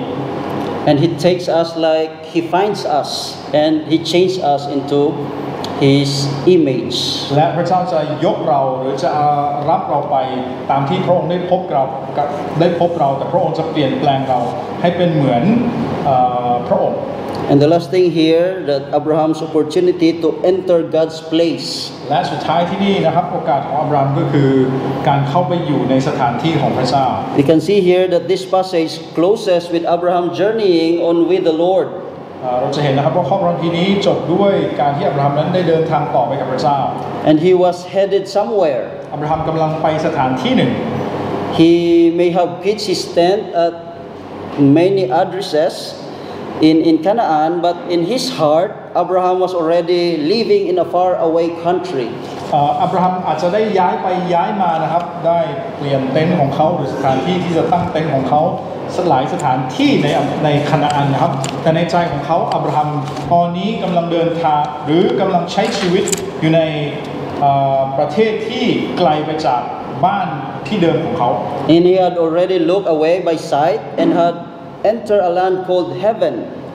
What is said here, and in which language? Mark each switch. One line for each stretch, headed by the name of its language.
English: and he takes us like he finds us and he changes us into his image
Thai: และพระเจ้าจะยกเราหรือจะรับเราไปตามที่พระองค์ได้พบเราแต่พระองค์จะเปลี่ยนแปลงเราให้เป็นเหมือนพระองค์
English: And the last thing here that Abraham's opportunity to enter God's place.
Thai: และสุดท้ายที่นี่นะครับโอกาสของอับราฮัมก็คือการเข้าไปอยู่ในสถานที่ของพระเจ้า
English: We can see here that this passage closes with Abraham journeying on with the Lord.
Thai: เราจะเห็นนะครับว่าข้อความที่นี้จบด้วยการที่อับราฮัมนั้นได้เดินทางต่อไปกับพระเจ้า
English: And he was headed somewhere.
Thai: อับราฮัมกำลังไปสถานที่หนึ่ง
English: He may have pitched his tent at many addresses. In Canaan, but in his heart, Abraham was already living in a far away country.
Thai: Abraham อาจจะได้ย้ายไปย้ายมานะครับได้เปลี่ยนเต็นท์ของเขาหรือสถานที่ที่จะตั้งเต็นท์ของเขาสลายสถานที่ในคานาอันนะครับแต่ในใจของเขาอับราฮัมตอนนี้กำลังเดินทางหรือกำลังใช้ชีวิตอยู่ในประเทศที่ไกลไปจากบ้านที่เดิมของเขา
English: And he had already looked away by sight and hadenter a land called heaven